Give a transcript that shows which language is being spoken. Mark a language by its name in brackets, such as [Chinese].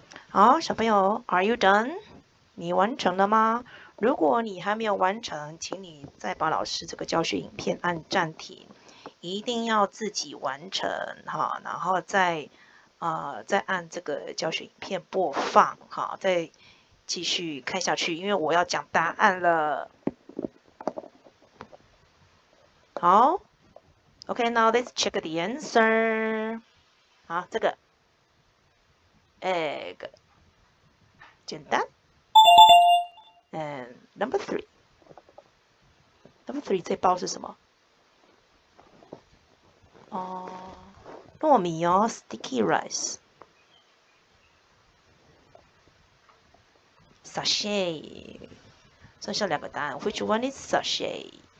[English] 好，小朋友，Are you done？ [Chinese] 你完成了吗？如果你还没有完成，请你再把老师这个教学影片按暂停。一定要自己完成哈，然后再按这个教学影片播放哈，再继续看下去，因为我要讲答案了。 [English] 好，OK， now let's check the answer。 [Chinese] 好，这个 egg 简单 ， and number three 这包是什么？ [English] 哦，糯米哦，sticky rice， sachet，剩下两个答案，which one is sachet？